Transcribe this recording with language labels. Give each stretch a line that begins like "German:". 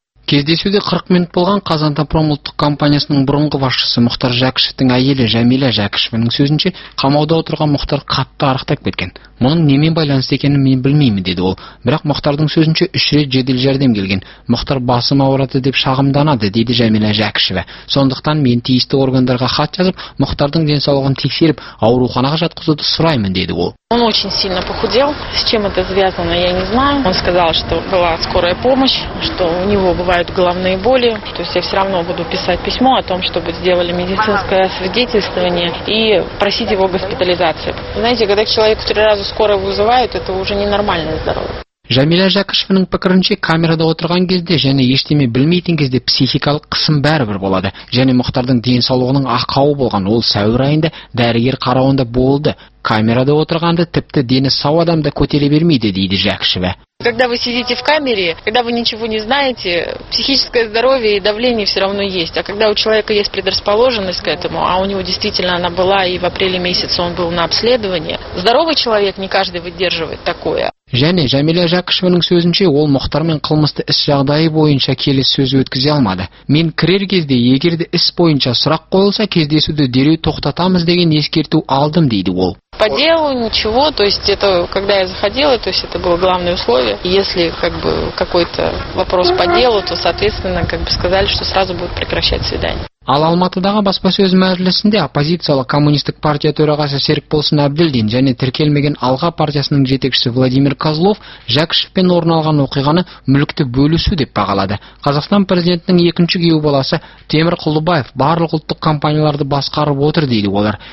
Kazakh: Кездесуде 40 минут болған Қазатомпром ұлттық компаниясының бұрынғы басшысы Мұхтар Жәкішевтің әйелі Жәмилә Жәкішеваның сөзінше, қамауда отырған Мұхтар қатты арықтап кеткен. Мұның немен байланысты екенін мен білмеймін деді ол. Бірақ Мұхтардың сөзінше 3 рет жедел жәрдем келген. Мұхтар басым ауырады деп шағымданады деді Жәмилә Жәкішева. Сондықтан мен тиісті органдарға хат жазып, Мұхтардың денсаулығын тексеріп, ауруханаға жатқызуды сұраймын деді ол.
Russian: Он очень сильно похудел. С чем это связано, я не знаю. Он сказал, что была скорая помощь, что у него бывают головные боли. То есть я все равно буду писать письмо о том, чтобы сделали медицинское свидетельствование и просить его госпитализации. Знаете, когда человек в 3 раза скорую вызывают, это уже ненормальное здоровье.
Kazakh: Жәмилә Жәкішевінің пікірінше, камерада отырған кезде және ештеме білмейтін кезде психикалық қысым бәрібір болады. Және Мұхтардың денсаулығының ақауы болған ол сәуір айында дәрігер қарауында болды. Камерада отырғанды тіпті дені сау адамды көтере бермейді дейді Жәкішева.
Russian: Когда вы сидите в камере, когда вы ничего не знаете, психическое здоровье и давление все равно есть. А когда у человека есть предрасположенность к этому, а у него действительно она была и в апреле месяце он был на обследовании, здоровый человек не каждый выдерживает такое.
Kazakh: Және Жәмилә Жәкішеваның сөзінше, ол Мұхтармен қылмысты іс жағдайы бойынша келіс сөз өткізе алмады. Мен кірер кезде, егер де іс бойынша сұрақ қойылса, кездесуді дереу тоқтатамыз деген ескерту алдым дейді ол.
Russian: По делу ничего, то есть это, когда я заходила, то есть это было главное условие. Если как бы какой-то вопрос по делу, то, соответственно, как бы сказали, что сразу будут прекращать свидание.
Kazakh: Ал Алматыдағы баспасөз мәжілісінде оппозициялық коммунистік партия төрағасы Серікболсын Әбділдин және тіркелмеген Алға партиясының жетекшісі Владимир Козлов Жәкішевпен орын алған оқиғаны мүлікті бөлісу деп бағалады. Қазақстан президентінің екінші күйеу баласы Темір Құлыбаев барлық ұлттық компанияларды басқарып отыр дейді олар.